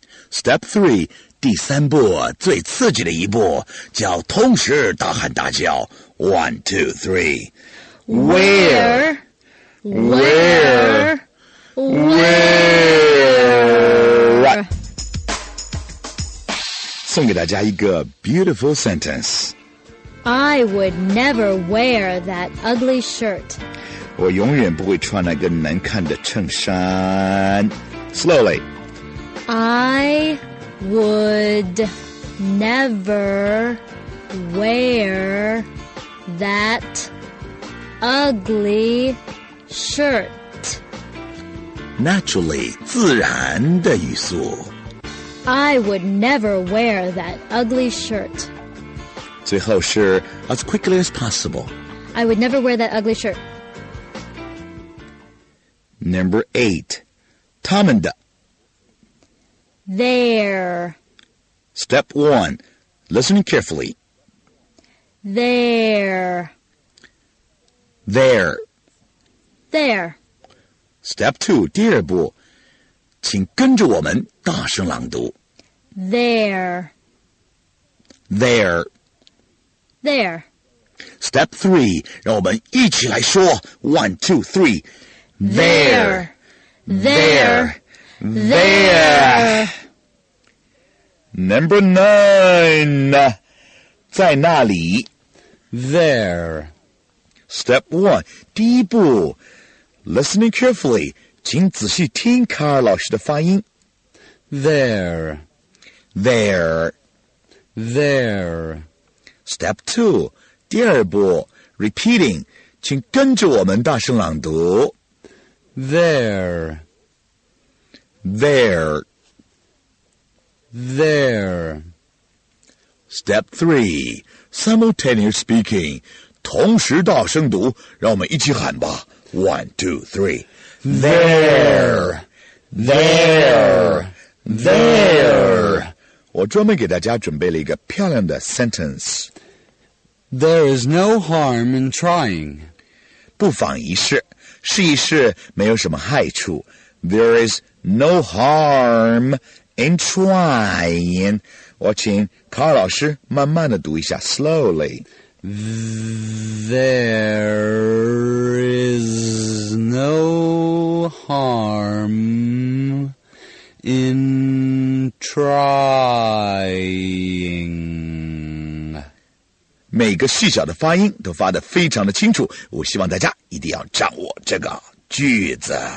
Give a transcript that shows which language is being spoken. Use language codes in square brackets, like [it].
[en] Step 3, [zh] 第三步，最刺激的一步，叫同时大喊大叫。 [en] One, two, three. Where? Where? Where? [zh] 送给大家一个 [en] beautiful sentence. I would never wear that ugly shirt. [zh] 我永远不会穿那个难看的衬衫。 [en] Slowly. I would never wear that ugly shirt. [zh] Naturally, 自然的语速。 [en] I would never wear that ugly shirt. [zh] 最后是 [en] as quickly as possible. I would never wear that ugly shirt. Number 8. [zh] 他们的 [en] There. Step 1. Listen carefully. There. There. There. Step 2. [zh] 第二步请跟着我们大声朗读。 [en] There. There. There. Step 3. [zh] 让我们一起来说 1, 2, 3. [en] There. There. There. There. Number 9. [zh] 在那里。 [en] There. Step 1. [zh] 第一步 [en] listening carefully. [zh] 请仔细听卡尔老师的发音。 [en] There. There. There. Step 2. [zh] 第二步 repeating. 请跟着我们大声朗读。 [en] There. There. There. Step 3. Simultaneous speaking. [zh] 同时大声读让我们一起喊吧。 [en] One, two, three. There, there, there. [zh] 我专门给大家准备了一个漂亮的 sentence. [en] There is no harm in trying. [zh] 不妨一试，试一试没有什么害处。 [en] There is no harm in trying. [zh] 我请卡尔老师慢慢的读一下 slowly. [en] There is no harm in trying. [zh] 每个细小的发音都发得非常的清楚，我希望大家一定要掌握这个句子。